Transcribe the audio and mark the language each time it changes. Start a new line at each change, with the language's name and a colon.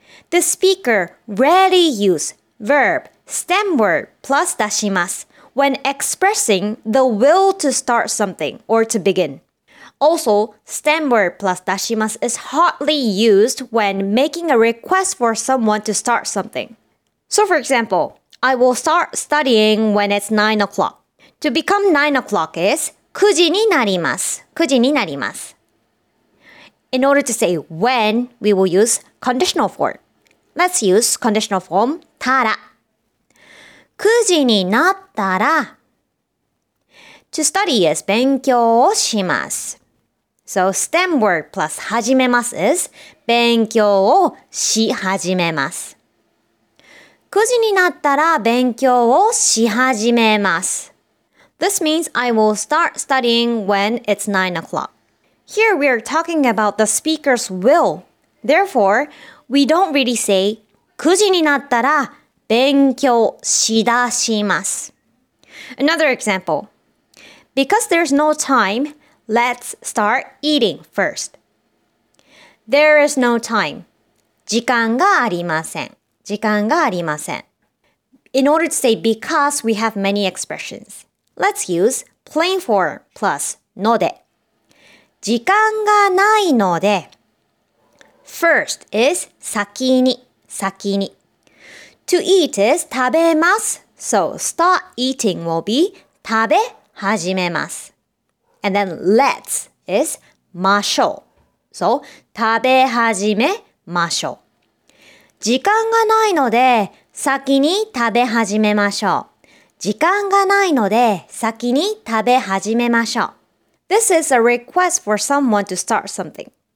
English: The speaker rarely used verb stem word plus 出します when expressing the will to start something or to begin. Also, stem word plus 出します is hardly used when making a request for someone to start something. So for example, I will start studying when it's 9 o'clock. To become 9 o'clock is
Japanese: 9時になります。9時になります。
English: In order to say when, we will use conditional form. Let's use conditional form たら。
Japanese: 9時になったら。
English: To study is
Japanese: 勉強をします。
English: So, stem word plus 始めます is
Japanese: 勉強をし始めます。 9時になったら勉強をし始めます。
English: This means I will start studying when it's 9 o'clock. Here we are talking about the speaker's will. Therefore, we don't really say
Japanese: 9時になったら勉強しだします。
English: Another example. Because there's no time,Let's start eating first. There is no time.
Japanese: 時間がありません。時間がありません。
English: In order to say because, we have many expressions. Let's use plain form plus ので。
Japanese: 時間がないので。
English: First is
Japanese: 先に。先に。
English: To eat is 食べます。So start eating will be
Japanese: 食べ始めます。
English: And then let's is ましょう。So,
Japanese: 食べ始めましょう。時間がないので先に食べ始めましょう。時間がないので先に食べ始めましょう。
English: This is a request for someone to start something.